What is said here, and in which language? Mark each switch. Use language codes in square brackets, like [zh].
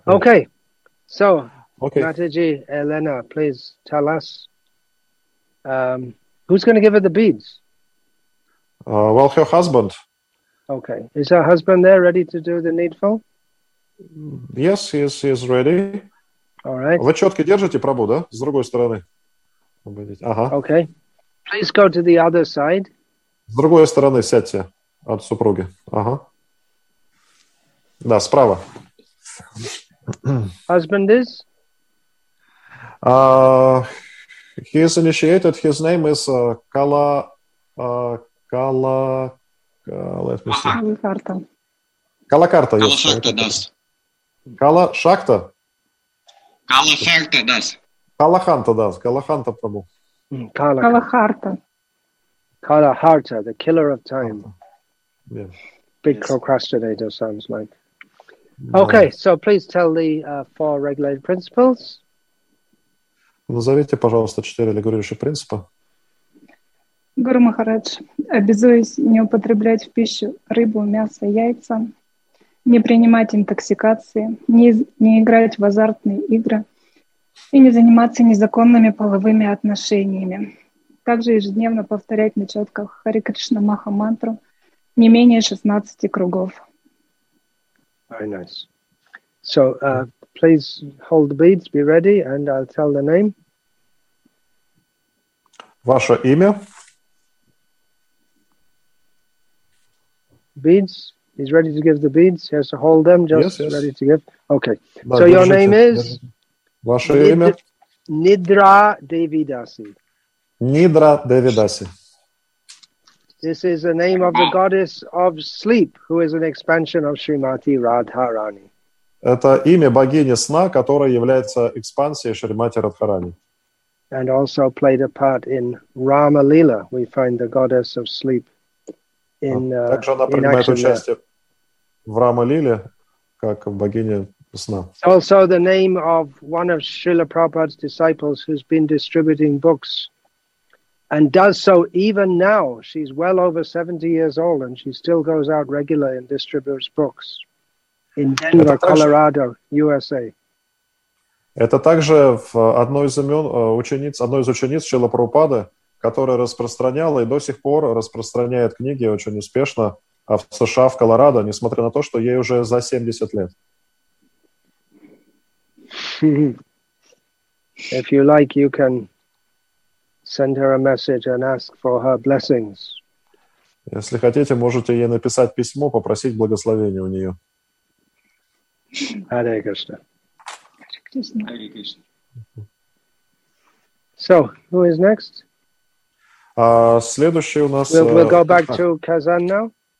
[en] Okay. So, Mataji, Elena, please tell us. Who's going to give her the beads? Well, her husband. Okay. Is her husband there ready to do the needful? Yes, he is ready. All right. [ru] Вы четко держите, Прабу, да? С другой стороны. [en] Okay. Please go to the other side. [ru] С другой стороны сядьте от супруги. Ага. Да, справа. [en] Husband is? He is initiated. His name is Kala. Let me see. Kalakarta. Kalakarta, yes. Kalashakta das. Kalashakta. Kalakarta das. Kalakanta das. Kalakanta Prabhu. Kalakarta. Kalakarta, the killer of time. Yes. Big procrastinator, sounds like. No. Okay, so please tell the four regulated principles. [ru] Назовите, пожалуйста, четыре регулирующих принципа. Гуру Махарадж, обязуюсь не употреблять в пищу рыбу, мясо, яйца, не принимать интоксикации, не играть в азартные игры и не заниматься незаконными половыми отношениями. Также ежедневно повторять на четках Хари Кришна Маха мантру не менее 16 кругов. [en] Very nice. So, please hold the beads, be ready, and I'll tell the name. [ru] Ваше имя? [en] Beads? He's ready to give the beads? He has to hold them, just yes. Ready to give? Okay. [ru] Да, [en] so, your name is? [ru] Ваше имя? Nidra Devidasi. Nidra Devidasi. [en] This is the name of the goddess of sleep, who is an expansion of Srimati Radharani. [ru] Это имя богини сна, которая является экспансией Шримати Радхарани. [en] And also played a part in Rama Lila. We find the goddess of sleep in [ru] также она принимает участие в Рама Лиле, как богиня сна. [en] Also the name of one of Srila Prabhupada's disciples who's been distributing books. And does so even now. She's well over 70 years old and she still goes out regularly and distributes books in Denver, Colorado, USA. [ru] Это также одно из имен учениц, одной из учениц Шрилы Прабхупады, которая распространяла и до сих пор распространяет книги очень успешно в США, в Колорадо, несмотря на то, что ей уже за 70 лет. [en] If you like, you can send her a message and ask for her blessings. [ru] Если хотите, можете ей написать письмо, попросить благословения у нее. [en] Hare Krishna. Hare Krishna. So, who is next? [ru] Следующий у нас... [en] We'll go back to Kazan now.